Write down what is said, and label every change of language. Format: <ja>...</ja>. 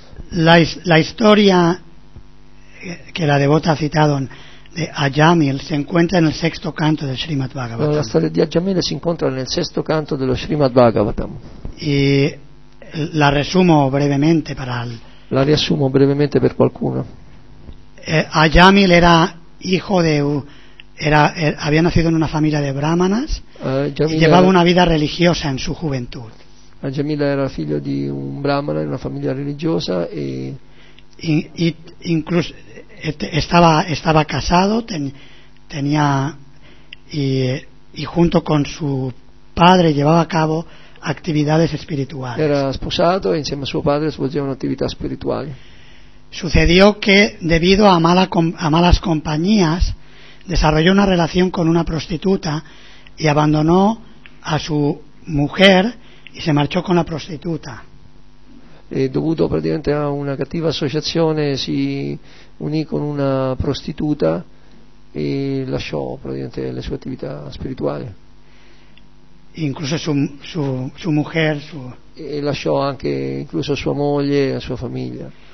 <es>La historia que la devota ha citado de Ajamil se encuentra en el sexto canto del Srimad Bhagavatam.</es> <it>La storia di Ajamil si incontra nel sesto canto dello Srimad Bhagavatam.</it> <es>Y la resumo brevemente para</es> <it>La riassumo brevemente per qualcuno.</it> <es>Ajamil era hijo de había nacido en una familia de brahmanas y llevaba una vida religiosa en su juventud.</es> <it>Ajamila era figlio di un brahmana in una famiglia religiosa e</it> <es>incluso estaba casado, tenía y junto con su padre llevaba a cabo actividades espirituales.</es> <it>Era sposato e insieme a suo padre svolgeva un'attività spirituale.</it> <es>Sucedió que debido a malas compañías desarrolló una relación con una prostituta y abandonó a su mujer y se marchó con la prostituta.</es> <it>E dovuto praticamente a una cattiva associazione si unì con una prostituta e lasciò praticamente le sue attività spirituali.</it> <es>Incluso su mujer, su</es> <it>e lasciò anche incluso sua moglie e la sua famiglia.</it>